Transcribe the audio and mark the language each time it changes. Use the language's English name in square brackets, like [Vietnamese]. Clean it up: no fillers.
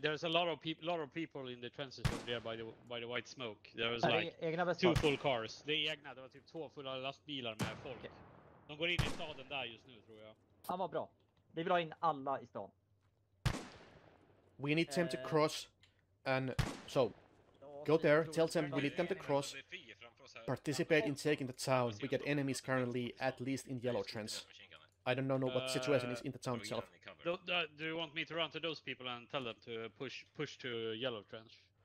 [English] There's a lot of people in the trenches over there by the white smoke. There was like two full cars. [Swedish] Det är egna, det var typ två fulla lastbilar med folk. Okay. De går in i staden där just nu tror jag. Han var bra. Vi vill ha in alla i stan. [English] We need them to cross and so go there, tell them we need them to cross. Participate in taking the town. We get enemies currently at least in yellow trench. I don't know what situation is in the town itself. Do you want me to run to those people and tell them to push to yellow trench?